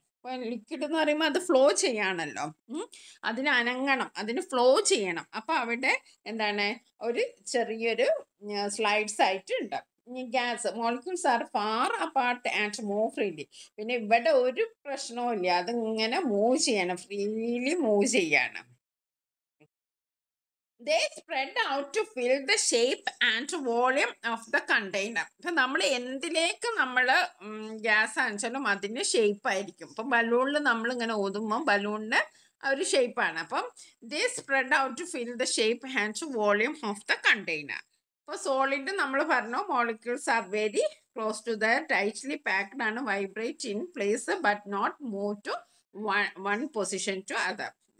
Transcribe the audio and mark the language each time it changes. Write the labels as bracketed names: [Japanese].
[Malayalam] ഇപ്പോൾ ലിക്വിഡ് എന്ന് പറയുമ്പോൾ അത് ഫ്ലോ ചെയ്യാണല്ലോ, അതിന് അനങ്ങണം, അതിന് ഫ്ലോ ചെയ്യണം. അപ്പോൾ അവിടെ എന്താണ് ഒരു ചെറിയൊരു സ്ലൈഡ്സ് ആയിട്ടുണ്ട്. [English] ഇനി gas, molecules are far apart and move freely. [Malayalam] പിന്നെ ഇവിടെ ഒരു പ്രശ്നവും ഇല്ല, അതിങ്ങനെ മൂവ് ചെയ്യണം, ഫ്രീലി മൂവ് ചെയ്യണം. [English] They spread out to fill the shape and volume of the container. [Malayalam] അപ്പോൾ നമ്മൾ എന്തിലേക്ക് നമ്മൾ ഗ്യാസ് അണച്ചാലും അതിൻ്റെ ഷേപ്പ് ആയിരിക്കും. അപ്പം ബലൂണിൽ നമ്മൾ ഇങ്ങനെ ഓതുമ്പോൾ ബലൂണിൻ്റെ ആ ഒരു ഷേപ്പാണ്. [English] അപ്പം they spread out fill the shape and volume of the container. [Malayalam] അപ്പോൾ സോളിഡ് നമ്മൾ പറഞ്ഞു [English] Molecules are very close to the tightly packed ആണ് vibrate in place but not move to one position to other.